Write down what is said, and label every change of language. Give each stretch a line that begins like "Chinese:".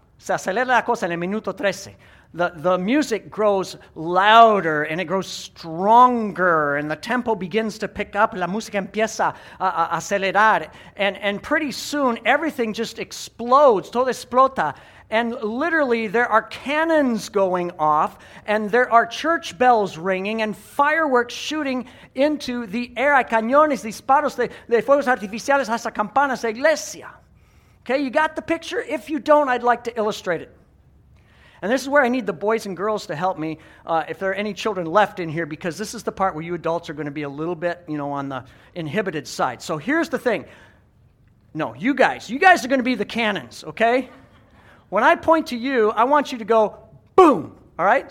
Spanish: Se acelera la cosa en el minuto 13.
English: The music grows louder and it grows stronger and the tempo begins to pick up.
Spanish: La música empieza a acelerar.
English: And pretty soon, everything just explodes.
Spanish: Todo explota.
English: And literally, there are cannons going off and there are church bells ringing and fireworks shooting into the air.
Spanish: Hay cañones, disparos de fuegos artificiales hasta campanas de iglesia.
English: Okay, you got the picture? If you don't, I'd like to illustrate it. And this is where I need the boys and girls to help me, if there are any children left in here, because this is the part where you adults are going to be a little bit, you know, on the inhibited side. So here's the thing. No, you guys are going to be the cannons, okay? When I point to you, I want you to go, boom, all right?